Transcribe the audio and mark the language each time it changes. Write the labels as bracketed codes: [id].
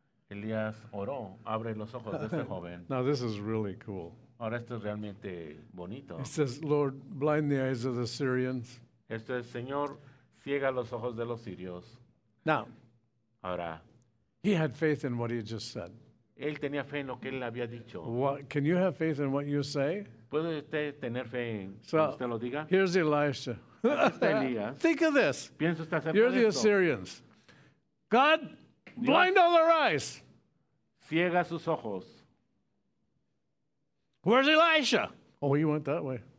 [es] Elías oró, abre los ojos de este joven. [en] Now this is really cool. [es] Ahora esto es realmente bonito. [en] It says, Lord, blind the eyes of the Syrians. [es] Esto es, Señor, ciega los ojos de los sirios. [en] Now, [es] ahora, [en] he had faith in what he just said. [es] Él tenía fe en lo que él había dicho. [en] What, can you have faith in what you say? [es] ¿Puede usted tener fe en so, que usted lo diga? [en] Here's Elisha. Think of this. [es] Piensa usted acerca de esto. [en] You're the Assyrians. God, Dios, blind all their eyes. [es] Ciega sus ojos. [en] Where's Elisha? Oh, he went that way.